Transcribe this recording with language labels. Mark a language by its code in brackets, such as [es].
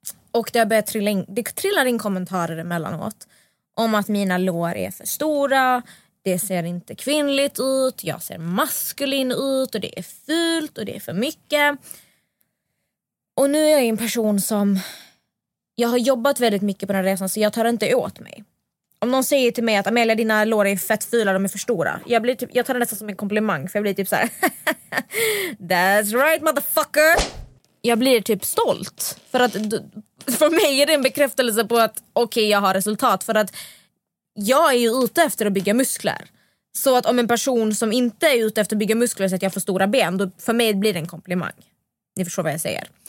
[sv] Och det har börjat trilla in, det trillar in kommentarer emellanåt om att mina lår är för stora, det ser inte kvinnligt ut, jag ser maskulin ut, och det är fult och det är för mycket. Och nu är jag en person som, jag har jobbat väldigt mycket på den här resan, så jag tar inte åt mig. Om någon säger till mig att Amelia, dina lår är fett fula, de är för stora, jag blir typ, jag tar det nästan som en komplimang, för jag blir typ så här. [en] That's right, motherfucker. [sv] Jag blir typ stolt, för att för mig är det en bekräftelse på att okej, jag har resultat. För att jag är ju ute efter att bygga muskler. Så att om en person som inte är ute efter att bygga muskler så att jag får stora ben, då för mig blir det en komplimang. Ni förstår vad jag säger.